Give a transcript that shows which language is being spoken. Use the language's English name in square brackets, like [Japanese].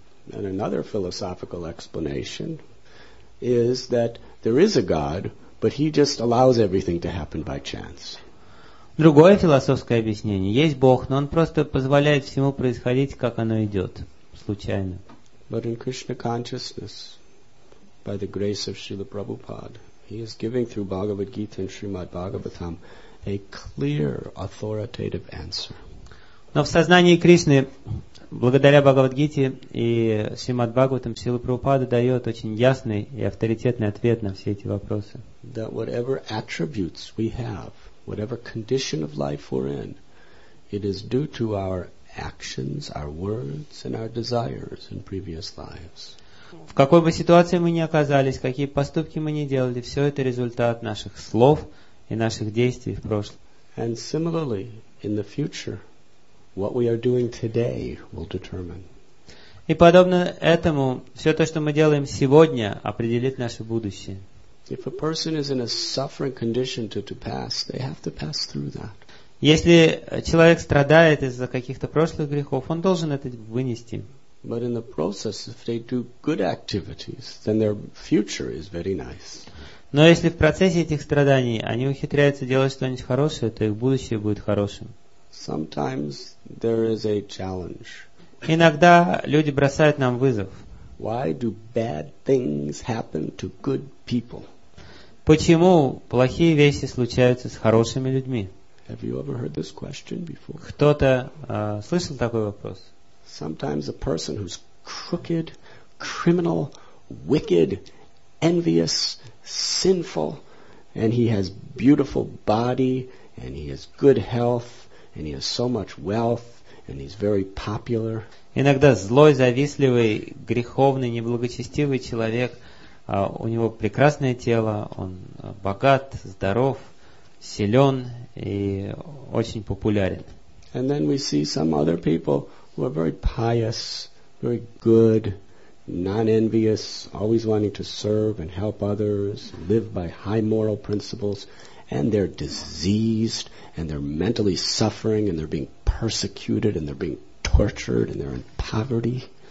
[English] And another philosophical explanation is that there is a God, but He just allows everything to happen by chance. [Russian] Другое философское объяснение. Есть Бог, но Он просто позволяет всему происходить, как оно идет, случайно. [English] But in Krishna consciousness, by the grace of Srila Prabhupada, He is giving through Bhagavad Gita and Srimad Bhagavatam a clear authoritative answer. [Russian] Но в сознании Кришны, благодаря Бхагавад-гите и Шримад Бхагаватам, Шрила Прабхупада дает очень ясный и авторитетный ответ на все эти вопросы. [English] That whatever attributes we have, whatever condition of life we're in, it is due to our actions, our words, and our desires in previous lives. [Russian] В какой бы ситуации мы ни оказались, какие поступки мы ни делали, все это результат наших слов и наших действий в прошлом. [English] And similarly, in the future, what we are doing today will determine. [Russian] И подобно этому, все то, что мы делаем сегодня, определит наше будущее. [English] If a person is in a suffering condition to pass, they have to pass through that. [Russian] Если человек страдает из-за каких-то прошлых грехов, он должен это вынести. [English] But in the process, if they do good activities, then their future is very nice. [Russian] Но если в процессе этих страданий они ухитряются делать что-нибудь хорошее, то их будущее будет хорошим. [English] Sometimes there is a challenge. [Russian] Иногда люди бросают нам вызов. [English] Why do bad things happen to good people? [Russian] Почему плохие вещи случаются с хорошими людьми? [English] Have you ever heard this question before? [Russian] Кто-то слышал такой вопрос? [English] Sometimes a person who's crooked, criminal, wicked, envious, sinful, and he has beautiful body, and he has good health, and he has so much wealth, and he's very popular. [Russian] Иногда злой, завистливый, греховный, неблагочестивый человек, у него прекрасное тело, он богат, здоров, силен и очень популярен. [English] And then we see some other people who are very pious, very good, non-envious, always wanting to serve and help others, live by high moral principles, and they're diseased, and they're mentally suffering, and they're being persecuted, and they're being tortured, and they're in poverty.